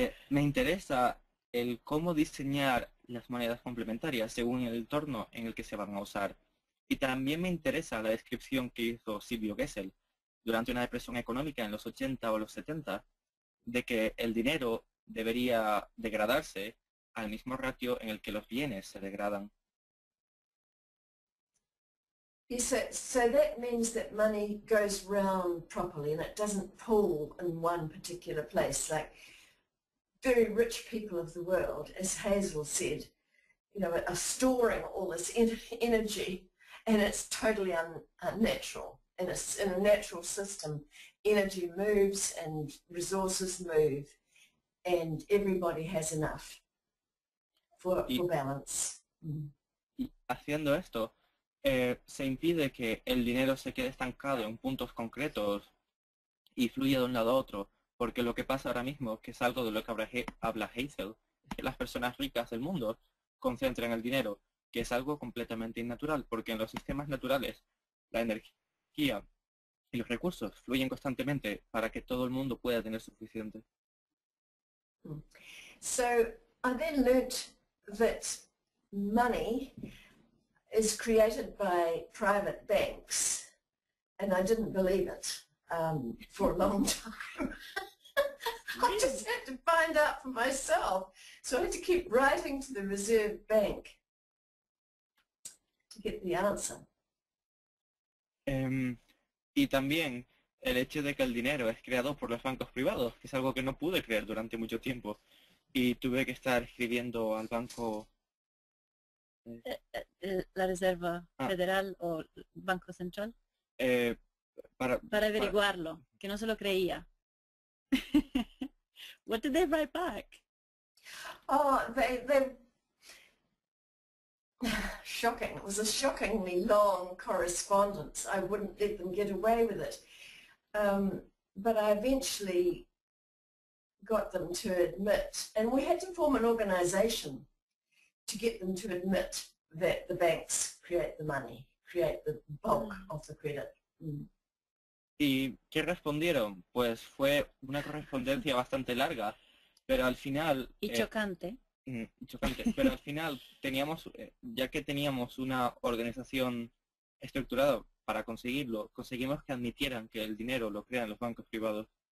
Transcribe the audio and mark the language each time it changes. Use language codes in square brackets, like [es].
[es] Me interesa el cómo diseñar las monedas complementarias según el entorno en el que se van a usar. Y también me interesa la descripción que hizo Silvio Gesell durante una depresión económica en los 80 o los 70 de que el dinero debería degradarse al mismo ratio en el que los bienes se degradan. [en] Y so that means that money goes round properly and it doesn't pool in one particular place, like very rich people of the world, as Hazel said, you know, are storing all this energy, and it's totally unnatural. In a natural system, energy moves and resources move, and everybody has enough for balance. [es] Y haciendo esto, se impide que el dinero se quede estancado en puntos concretos y fluya de un lado a otro. Porque lo que pasa ahora mismo, que es algo de lo que habla Hazel, es que las personas ricas del mundo concentran el dinero, que es algo completamente innatural, porque en los sistemas naturales la energía y los recursos fluyen constantemente para que todo el mundo pueda tener suficiente. [en] So, I then learned that money is created by private banks, and I didn't believe it for a long time. I just had to find out for myself. So I had to keep writing to the Reserve Bank to get the answer. [es] Y también el hecho de que el dinero es creado por los bancos privados, que es algo que no pude creer durante mucho tiempo. Y tuve que estar escribiendo al banco... La Reserva Federal o Banco Central. Para averiguarlo, que no se lo creía. [en] What did they write back? Oh, they shocking. It was a shockingly long correspondence. I wouldn't let them get away with it. But I eventually got them to admit, and we had to form an organization to get them to admit that the banks create the money, create the bulk of the credit. [es] ¿Y qué respondieron? Pues fue una correspondencia bastante larga, pero al final... Y chocante. Chocante, pero al final teníamos, ya que teníamos una organización estructurada para conseguirlo, conseguimos que admitieran que el dinero lo crean los bancos privados.